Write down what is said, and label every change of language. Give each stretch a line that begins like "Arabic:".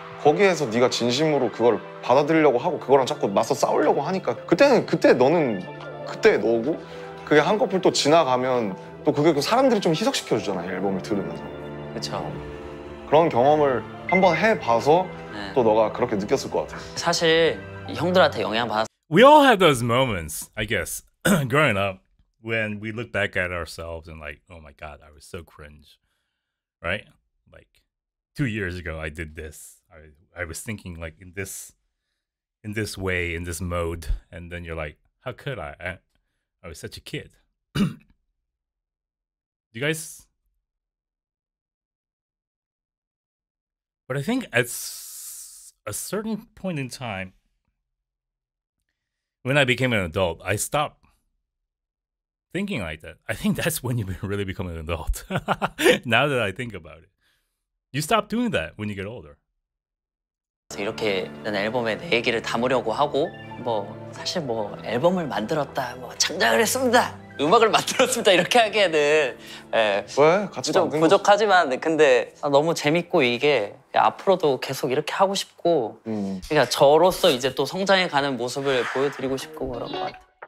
Korean: 거기에서 네가 진심으로 그걸 받아들이려고 하고 그거랑 자꾸 맞서 싸우려고 하니까 그때 너는 그때 너고 그게 한꺼풀 또 지나가면 또 그게 그 사람들이 좀 희석시켜주잖아, 앨범을 들으면서. 그쵸. 그런 경험을 한번 해봐서 네. 또 너가 그렇게 느꼈을 것 같아. 사실 형들한테 영향받았어.
English: We all have those moments, I guess, growing up when we look back at ourselves and like, oh my god, I was so cringe, right? Like, 2 years ago, I did this. I was thinking like in this way, in this mode, and then you're like, how could I was such a kid. You guys, but I think at a certain point in time, when I became an adult, I stopped thinking like that. I think that's when you really become an adult. Now that I think about it, you stop doing that when you get older.
Korean: 이렇게 난 앨범에 내 얘기를 담으려고 하고 뭐 사실 뭐 앨범을 만들었다, 뭐 창작을 했습니다. 음악을 만들었습니다 이렇게 하기에는 예, 왜? 같이 좀 부족하지만 거... 근데 너무 재밌고 이게 앞으로도 계속 이렇게 하고 싶고 그러니까 저로서 이제 또 성장해가는 모습을 보여드리고 싶고 그런 것 같아요.